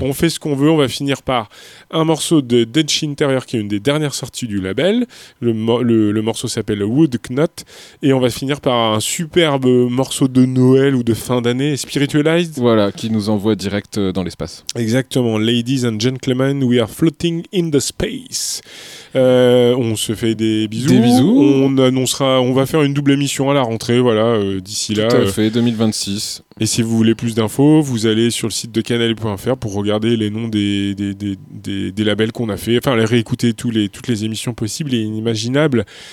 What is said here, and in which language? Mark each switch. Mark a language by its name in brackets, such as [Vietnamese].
[French] On fait ce qu'on veut. On va finir par un morceau de Denchi Interior, qui est une des dernières sorties du label. Le morceau s'appelle Wood Knot. Et on va finir par un superbe morceau de Noël ou de fin d'année, Spiritualized. Voilà, qui nous envoie direct dans l'espace. Exactement. [English] Ladies and gentlemen, we are floating in the space. [French] On se fait des bisous. Des bisous. On va faire une double émission à la rentrée, voilà, d'ici là. Tout à fait, 2026. Et si vous voulez plus d'infos, vous allez sur le site de canal.fr pour regarder les noms des labels qu'on a fait, enfin, aller réécouter toutes les émissions possibles et inimaginables.